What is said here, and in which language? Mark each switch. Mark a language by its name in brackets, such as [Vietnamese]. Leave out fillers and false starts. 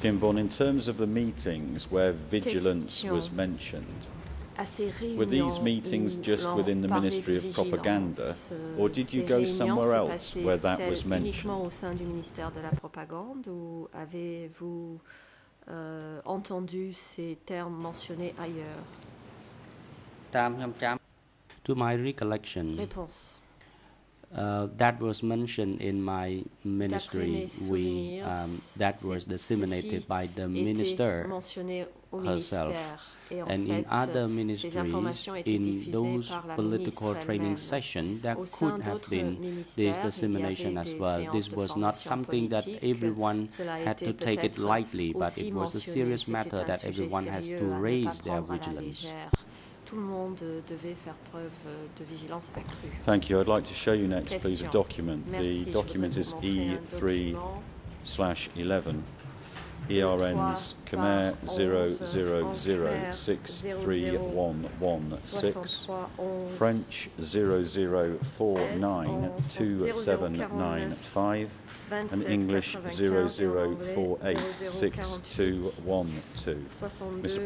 [English] Kimborne, in terms of the meetings where vigilance was mentioned, were these meetings just within the Ministry of Propaganda, or did you go somewhere else where that was mentioned? [French] Au sein du ministère de la propagande, ou avez-vous entendu ces termes mentionnés ailleurs? [English] To my recollection, [French] réponse. [English] That was mentioned in my ministry. We that was disseminated by the minister herself. And in other ministries, in those political training sessions, there could have been this dissemination as well. This was not something that everyone had to take it lightly, but it was a serious matter that everyone has to raise their vigilance. [French] Tout le monde devait faire preuve de vigilance accrue. [English] Thank you. I'd like to show you next, please, a document. Merci. The document is E3/11. ERN's Khmer 000063116, French 00492795, and English 00486212. Mr.